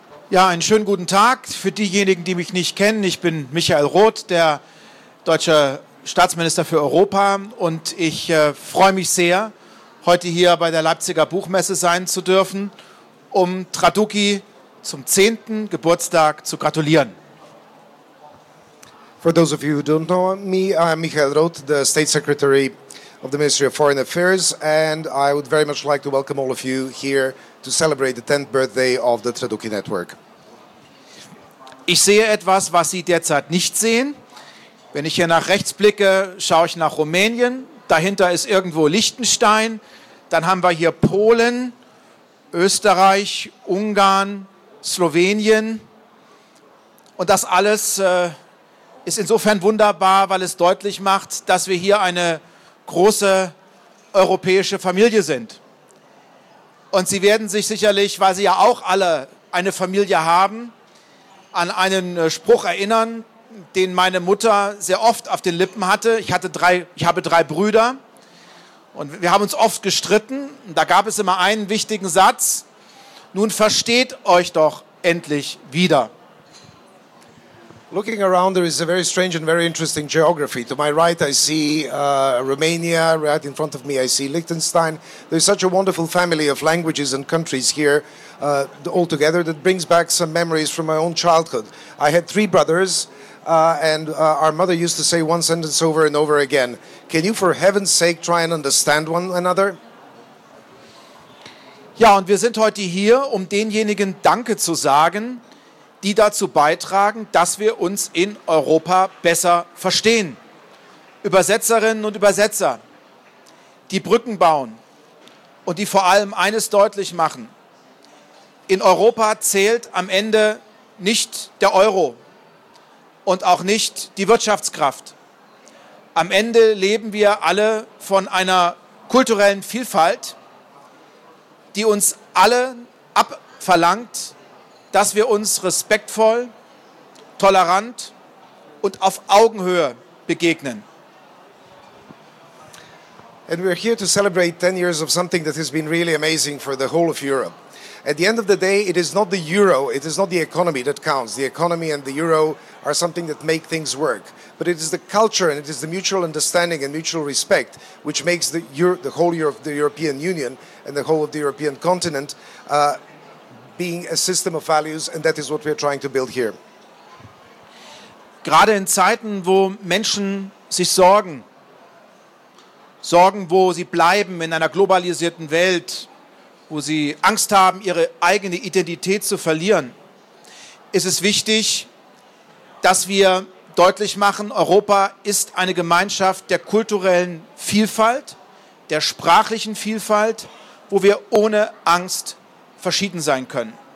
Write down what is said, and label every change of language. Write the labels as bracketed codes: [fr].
[de] Ja, einen schönen guten Tag für diejenigen, die mich nicht kennen. Ich bin Michael Roth, der deutsche Staatsminister für Europa. Und ich freue mich sehr, heute hier bei der Leipziger Buchmesse sein zu dürfen, um Tradukki zum 10. Geburtstag zu gratulieren. [en] For those of you who don't know me, I'm Michael Roth, the State Secretary of the Ministry of Foreign Affairs, and I would very much like to welcome all of you here to celebrate the 10th birthday of the Tradukki Network. [de] Ich sehe etwas, was Sie derzeit nicht sehen. Wenn ich hier nach rechts blicke, schaue ich nach Rumänien. Dahinter ist irgendwo Liechtenstein. Dann haben wir hier Polen, Österreich, Ungarn, Slowenien. Und das alles ist insofern wunderbar, weil es deutlich macht, dass wir hier eine große europäische Familie sind. Und Sie werden sich sicherlich, weil Sie ja auch alle eine Familie haben, an einen Spruch erinnern, den meine Mutter sehr oft auf den Lippen hatte. Ich habe drei Brüder und wir haben uns oft gestritten. Und da gab es immer einen wichtigen Satz: Nun versteht euch doch endlich wieder. [en] Looking around, there is a very strange and very interesting geography. To my right, I see Romania. Right in front of me, I see Liechtenstein. There's such a wonderful family of languages and countries here all together that brings back some memories from my own childhood. I had three brothers, and our mother used to say one sentence over and over again: Can you, for heaven's sake, try and understand one another? [de] Ja, und wir sind heute hier, um denjenigen Danke zu sagen, die dazu beitragen, dass wir uns in Europa besser verstehen. Übersetzerinnen und Übersetzer, die Brücken bauen und die vor allem eines deutlich machen: In Europa zählt am Ende nicht der Euro und auch nicht die Wirtschaftskraft. Am Ende leben wir alle von einer kulturellen Vielfalt, die uns alle abverlangt, dass wir uns respektvoll, tolerant und auf Augenhöhe begegnen. [en] And we're here to celebrate 10 years of something that has been really amazing for the whole of Europe. At the end of the day, it is not the euro, it is not the economy that counts. The economy and the euro are something that make things work. But it is the culture and it is the mutual understanding and mutual respect which makes the whole Europe, the European Union and the whole of the European continent being a system of values, and that is what we are trying to build here. [de] Gerade in Zeiten, wo Menschen sich sorgen, wo sie bleiben in einer globalisierten Welt, wo sie Angst haben, ihre eigene Identität zu verlieren, ist es wichtig, dass wir deutlich machen: Europa ist eine Gemeinschaft der kulturellen Vielfalt, der sprachlichen Vielfalt, wo wir ohne Angst verschieden sein können.